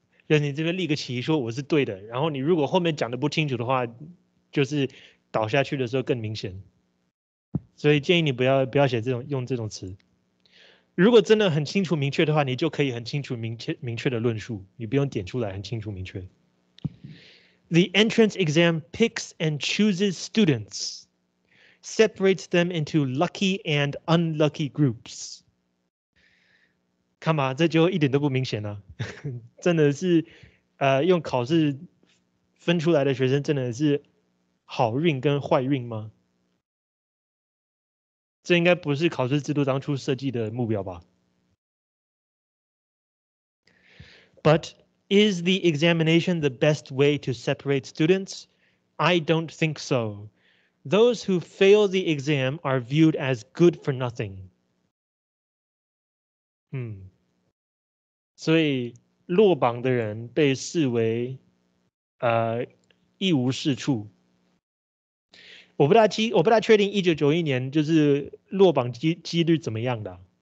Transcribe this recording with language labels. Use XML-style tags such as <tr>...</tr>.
<zh>就是你这边立个旗说我是对的，然后你如果后面讲的不清楚的话，就是倒下去的时候更明显。所以建议你不要写这种用这种词。如果真的很清楚明确的话，你就可以很清楚明确的论述，你不用点出来很清楚明确。</zh> <en>The entrance exam picks and chooses students, separates them into lucky and unlucky groups.</en> <zh>看吧，这就一点都不明显了。真的是，用考试分出来的学生真的是好运跟坏运吗？这应该不是考试制度当初设计的目标吧？</zh> <en>But,Is the examination the best way to separate students? I don't think so. Those who fail the exam are viewed as good for nothing.</en> <zh>所以落榜的人被视为一无是处。我不大确定1991年就是落榜几率怎么样的。</zh>